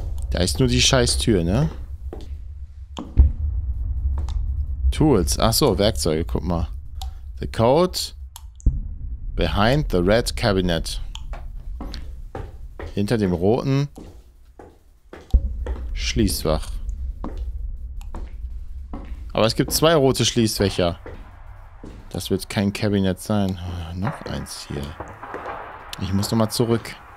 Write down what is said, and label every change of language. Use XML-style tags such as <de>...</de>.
<de>Da ist nur die Scheißtür, ne? Tools. Achso, Werkzeuge, guck mal.</de> <en>The code behind the red cabinet.</en> <de>Hinter dem roten Schließfach. Aber es gibt zwei rote Schließfächer. Das wird kein Cabinet sein. Noch eins hier. Ich muss nochmal zurück.</de>